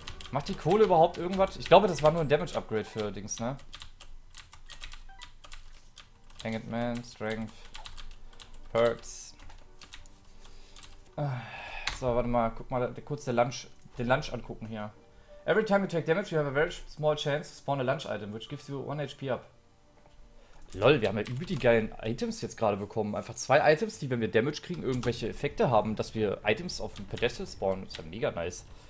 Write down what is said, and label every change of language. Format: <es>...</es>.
<de>Macht die Kohle überhaupt irgendwas? Ich glaube, das war nur ein Damage-Upgrade für Dings, ne? Hanged Man, Strength, Perks. So, warte mal, guck mal kurz den Lunch angucken hier.</de> <en>Every time you take damage, you have a very small chance to spawn a lunch item, which gives you 1 HP up.</en> <de>Lol, wir haben ja übel die geilen Items jetzt gerade bekommen. Einfach zwei Items, die, wenn wir Damage kriegen, irgendwelche Effekte haben, dass wir Items auf dem Pedestal spawnen. Das ist ja mega nice.</de>